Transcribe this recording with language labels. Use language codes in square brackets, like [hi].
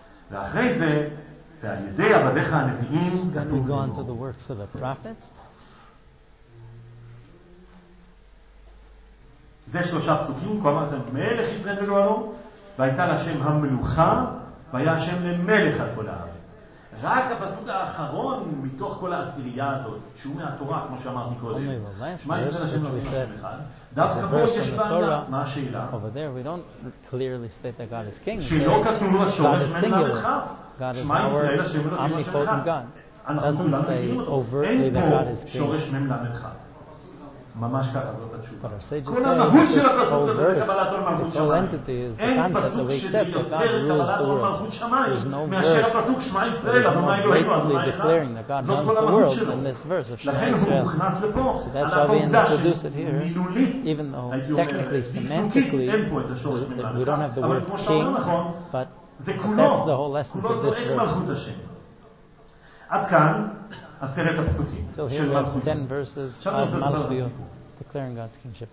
[he] ואחרי זה, ועל ידי עבדיך הנביאים, [en] we go on to the works of the prophet. [he] זה שלושה פסוקים, כלומר זה מלך ישראל וגואלו, והייתה לשם המלוכה, והיה השם למלך על כל הארץ. רק הפסוק האחרון מתוך כל העשירייה הזאת, שהוא מהתורה, כמו שאמרתי קודם, מה יש לשם לומדים השם אחד? דווקא פה יש בעיה, מה השאלה? [en] Over there we don't clearly state that God is king. [he] שלא כתוב לו השורש מן למלך. [en] God is our omnipotent God. Doesn't say overtly that God is king. [he] שורש מן למלך. ממש ככה זאת התשובה. כל המהות של הפסוק הזה זה קבלת עול מלכות שמיים. אין פסוק שזה יותר קבלת עול מלכות שמיים מאשר הפסוק שמע ישראל, אדוני אלוהינו, אדוני אחד. זאת כל המהות שלו. לכן הוא הוכנס לפה, על העובדה שמילולית, הייתי אומר, ביטוקית, אין פה את השורש מן המלכה. אבל כמו שאומר נכון, זה כולו, כולו זועק מלכות השם. עד כאן, עשרת הפסוקים. [en] So here we have 10 verses of Malchuyot declaring God's kingship.